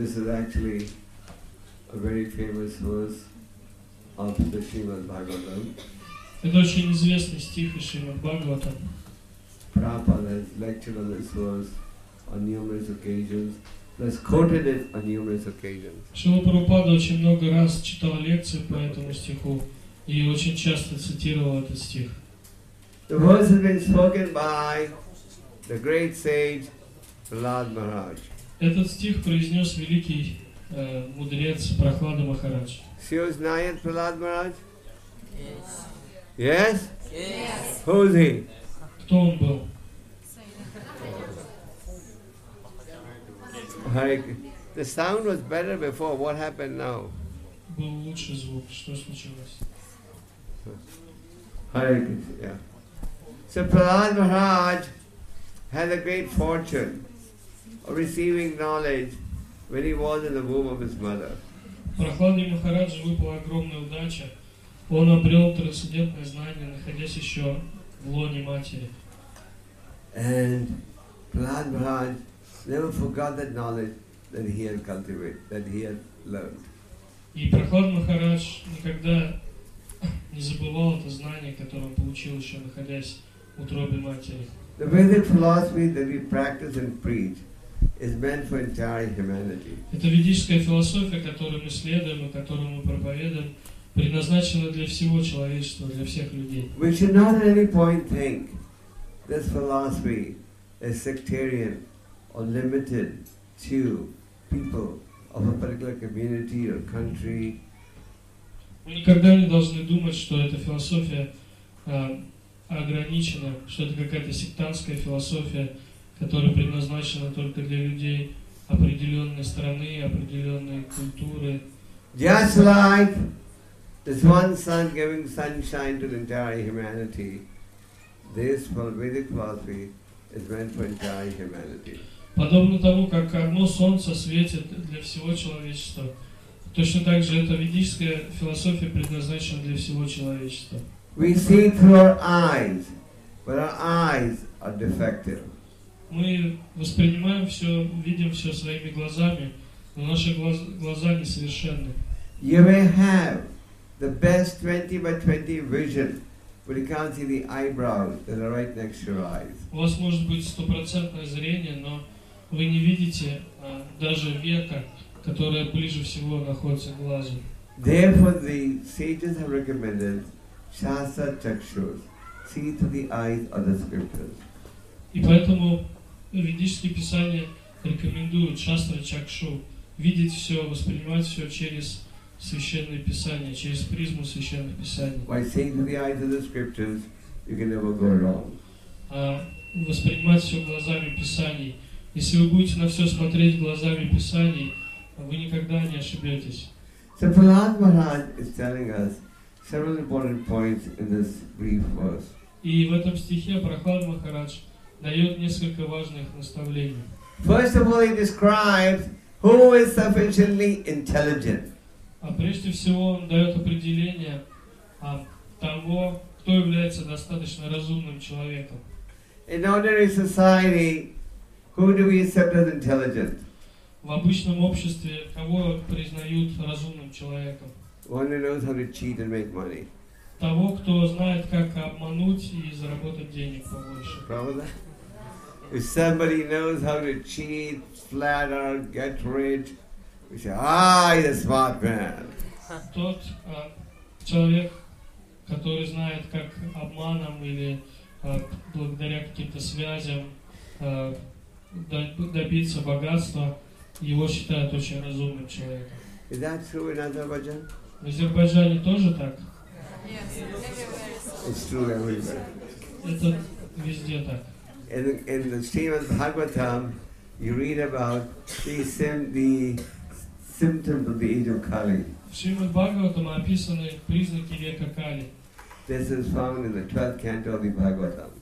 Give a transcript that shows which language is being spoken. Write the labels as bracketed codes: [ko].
[en] this is actually a very famous verse of the Srimad Bhagavatam. [ru] Это очень известный стих из Шримад Бхагаватам. [en] Prabhupada has lectured on this verse on numerous occasions. Has quoted it on numerous occasions. [ru] Шрила Прабхупада очень много раз читал лекции по этому стиху и очень часто цитировал этот стих. [en] The verse has been spoken by the great sage Prahlad Maharaj. [ru] Этот стих произнес великий мудрец Прахлада Махарадж. [en] Serious Nayan Prahlad Maharaj? Yes. Yes? Yes. Who is he? [ru] Кто он был? [en] The sound was better before. What happened now? [ru] Был лучший звук. Что случилось? [en] Hare Krishna. Yeah. So Prahlad Maharaj had a great fortune of receiving knowledge when he was in the womb of his mother. [ru] Прахлада Махараджа выпала огромная удача. Он обрел трансцендентное знание, находясь еще в лоне матери. [en] And Prahlad Maharaj never forgot that knowledge that he had cultivated, that he had learned. [ru] И Прахлад Махарадж никогда не забывал это знание, которое он получил еще находясь в утробе матери. [en] The Vedic philosophy that we practice and preach is meant for entire humanity. [ru] Это ведическая философия, которую мы следуем и которую мы проповедуем, предназначена для всего человечества, для всех людей. [en] We should not at any point think this philosophy is sectarian or limited to people of a particular community or country. [ru] Мы никогда не должны думать, что эта философия ограничена, что это какая-то сектантская философия, которая предназначена только для людей определенной страны, определенной культуры. [en] Just like this one sun giving sunshine to the entire humanity, this Vedic philosophy is meant for entire humanity. [ru] Подобно тому, как одно солнце светит для всего человечества, точно так же эта ведическая философия предназначена для всего человечества. [en] We see through our eyes, but our eyes are defective. [ru] Мы воспринимаем все, видим все своими глазами, но наши глаза несовершенны. [en] You may have the best 20 by 20 vision, but you can't see the eyebrows that are right next to your eyes. [ru] У вас может быть 100% зрение, но вы не видите даже века, которая ближе всего находится к глазу. [en] Therefore, the sages have recommended shastra chakshus, see through the eyes of the scriptures. [ru] И поэтому ведические писания рекомендуют шастра чакшу видеть все, воспринимать все через священные писания, через призму священных писаний. [en] By seeing through the eyes of the scriptures, you can never go wrong. [ru] Воспринимать все глазами писаний. Если вы будете на все смотреть глазами писаний, вы никогда не ошибетесь. [en] So Prahlad Maharaj is telling us several important points in this brief verse. [ru] И в этом стихе Прахлад Махарадж дает несколько важных наставлений. [en] First of all, he describes who is sufficiently intelligent. [ru] А прежде всего он дает определение того, кто является достаточно разумным человеком. [en] In ordinary society, who do we accept as intelligent? [ru] В обычном обществе кого признают разумным человеком? [en] One who knows how to cheat and make money. [ru] Того, кто знает, как обмануть и заработать денег побольше. Правда? [en] If somebody knows how to cheat, flatter, get rich, we say, he's a smart man. [ru] Тот человек, который знает, как обманом или благодаря каким-то связям добиться богатства, его считают очень разумным человеком. [en] Is that true in Azerbaijan? [ru] В Азербайджане тоже так? [en] It's true everywhere. [ru] Это везде так. [en] In the Srimad Bhagavatam, you read about the symptoms of the age of Kali. [ru] В Srimad Bhagavatam описаны признаки века Кали. [en] This is found in the 12th canto of the Bhagavatam.